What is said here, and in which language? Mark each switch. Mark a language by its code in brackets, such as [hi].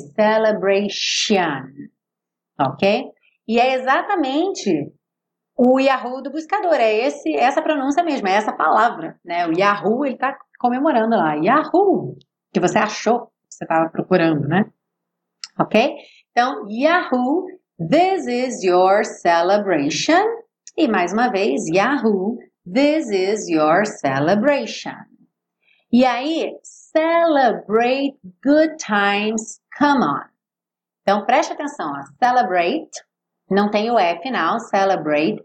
[en] Celebration, ok? [pt] E é exatamente o Yahoo do buscador. É essa pronúncia mesmo, é essa palavra, né? O Yahoo, ele tá comemorando lá. Yahoo, que você achou, você tava procurando, né? Ok? Então, Yahoo... [en] This is your celebration. E mais uma vez, Yahoo, this is your celebration. E aí, celebrate good times, come on. [pt] Então, preste atenção, ó. Celebrate, não tem o E final, celebrate.